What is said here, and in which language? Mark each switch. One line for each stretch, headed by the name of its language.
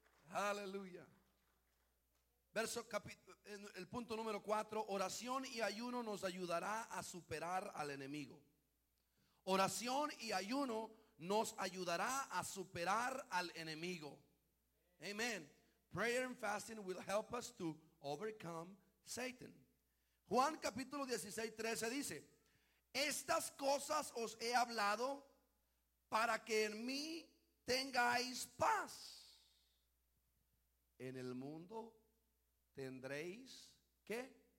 Spanish: Aleluya. Verso el punto número 4, oración y ayuno nos ayudará a superar al enemigo. Oración y ayuno nos ayudará a superar al enemigo.
English: Amen. Prayer and fasting will help us to overcome Satan.
Spanish: Juan capítulo 16, 13 dice: estas cosas os he hablado para que en mí tengáis paz. En el mundo tendréis, ¿qué?